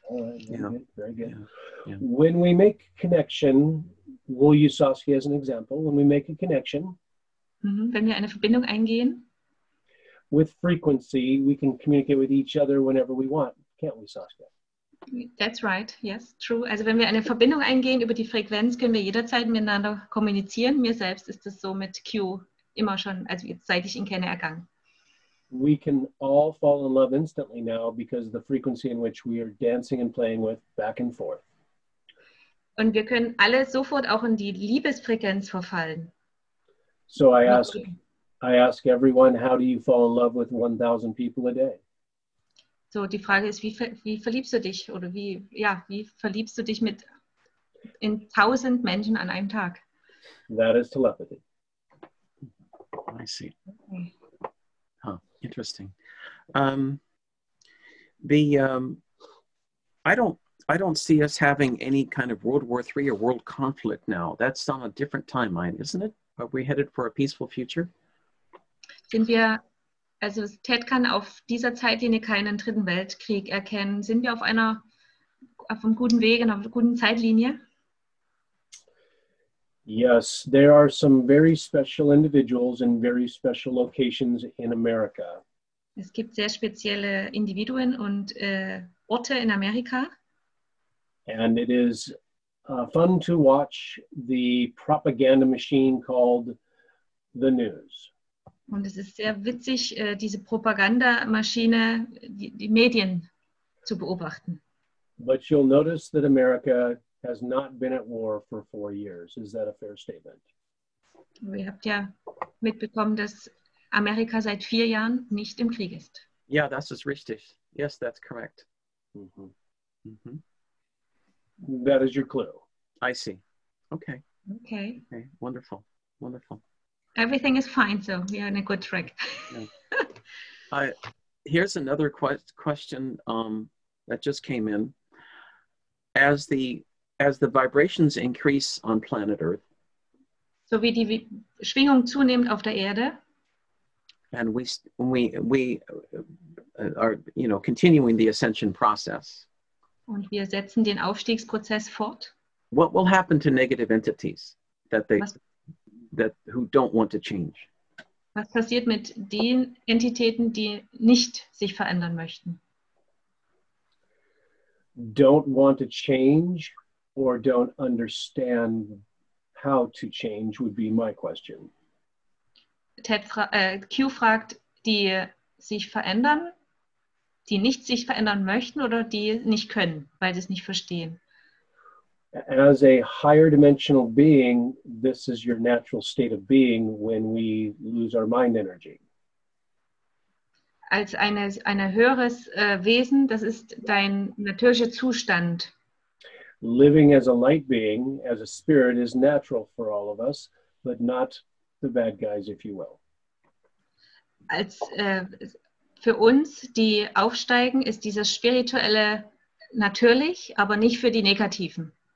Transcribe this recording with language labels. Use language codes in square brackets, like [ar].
[en] Very good. Yeah. When we make connection, we'll use Saskia as an example. When we make a connection, [de] wenn wir eine Verbindung eingehen, [en] with frequency, we can communicate with each other whenever we want, can't we, Saskia? That's right. Yes, true. [de] Also wenn wir eine Verbindung eingehen über die Frequenz, können wir jederzeit miteinander kommunizieren. Mir selbst ist das so mit Q immer schon, also jetzt, seit ich ihn kenne, ergangen. [en] We can all fall in love instantly now because of the frequency in which we are dancing and playing with back and forth. [de] Und wir können alle sofort auch in die Liebesfrequenz verfallen. [en] So I ask everyone, how do you fall in love with 1,000 people a day? [de] So die Frage ist, wie verliebst du dich oder wie verliebst du dich mit in 1,000 Menschen an einem Tag? [en] That is telepathy. I see. Okay. Huh, interesting. I don't see us having any kind of World War III or world conflict now. That's on a different timeline, isn't it? Are we headed for a peaceful future? [de] Sind wir, also Ted kann auf dieser Zeitlinie keinen dritten Weltkrieg erkennen. Sind wir auf einem guten Weg, auf einer guten Zeitlinie? [en] Yes, there are some very special individuals in very special locations in America. [de] Es gibt sehr spezielle Individuen und Orte in Amerika. [en] And it is fun to watch the propaganda machine called the news. [de] Und es ist sehr witzig, diese Propagandamaschine, die Medien zu beobachten. [en] But you'll notice that America has not been at war for 4 years. Is that a fair statement? [de] Ihr habt ja mitbekommen, dass Amerika seit 4 Jahren nicht im Krieg ist. Yeah, das ist richtig. [en] Yes, that's correct. [de] Mm-hmm. [en] Mm-hmm. That is your clue. I see. Okay. Okay. Okay. Wonderful. Wonderful. Everything is fine, so we are in a good track. Here's another question that just came in. As the vibrations increase on planet Earth, [de] so wie die Schwingung zunimmt auf der Erde, [en] and we are continuing the ascension process, [de] und wir setzen den Aufstiegsprozess fort. [en] What will happen to negative entities who don't want to change? [de] Was passiert mit den Entitäten, die nicht sich verändern möchten? [en] Don't want to change or don't understand how to change would be my question. [de] Q fragt, die sich verändern die nicht sich verändern möchten oder die nicht können, weil sie es nicht verstehen. [en] As a higher dimensional being, this is your natural state of being when we lose our mind energy. [de] Als eine höheres Wesen, das ist dein natürlicher Zustand. [en] Living as a light being, as a spirit, is natural for all of us, but not the bad guys, if you will. [de] Als für uns, die aufsteigen, ist dieses Spirituelle natürlich, aber nicht für die Negativen.